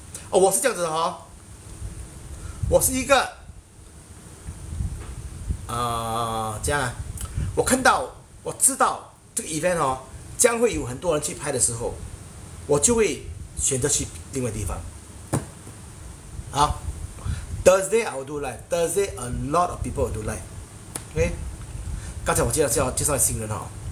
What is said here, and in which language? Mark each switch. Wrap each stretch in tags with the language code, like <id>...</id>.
<zh>哦，我是这样子的哈、哦，我是一个，这样，我看到，我知道这个 event 哦，将会有很多人去拍的时候，我就会选择去另外地方。好，</zh> <en>Thursday I will do live. Thursday a lot of people will do live.</en> <zh>OK，刚才我介绍新人哈、哦。</zh>